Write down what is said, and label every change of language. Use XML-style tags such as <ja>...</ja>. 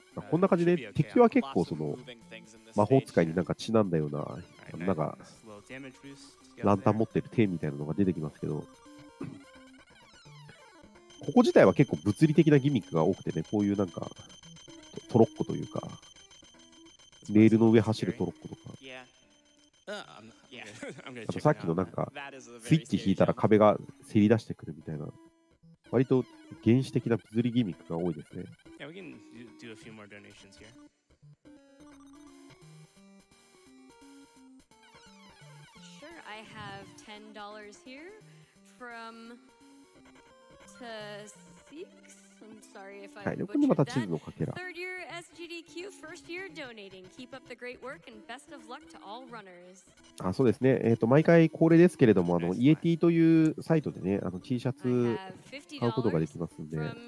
<ja>こんな感じで敵は結構その魔法使いになんかちなんだようななんかランタン持ってる手みたいなのが出てきますけど、ここ自体は結構物理的なギミックが多くてね、こういうなんかトロッコというかレールの上走るトロッコとか、あとさっきのなんかスイッチ引いたら壁がせり出してくるみたいな、割と原始的な物理ギミックが多いですね。</ja> <en>Yeah, we can do a few more donations here. Sure, I have $10 here from Tasiks.</en> <ja>はい、ここにまたチーズのかけら。</ja> <en>3rd year SGDQ, 1st year donating. Keep up the great work and best of luck to all runners.</en> <ja>あ、そうですね。毎回恒例ですけれども、あの、イエティというサイトでね、あの、T シャツ買うことができますんで。</ja>